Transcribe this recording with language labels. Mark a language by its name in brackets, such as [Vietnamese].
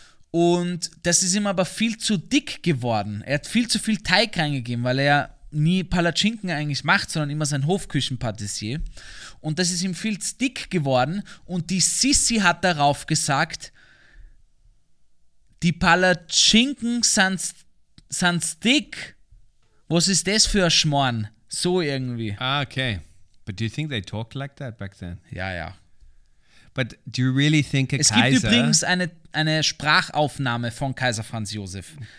[German] Und das ist ihm aber viel zu dick geworden. Er hat viel zu viel Teig reingegeben, weil er ja nie Palatschinken eigentlich macht, sondern immer sein Hofküchenpatissier. Und das ist ihm viel zu dick geworden. Und die Sissi hat darauf gesagt, die Palatschinken sind dick. Was ist das für ein Schmarrn? So irgendwie. Ah, okay. [English] But do you think they talked like that back then? [German] Ja, ja. [English] But do you really think a [German] es Kaiser... Es gibt übrigens eine Sprachaufnahme von Kaiser Franz Josef.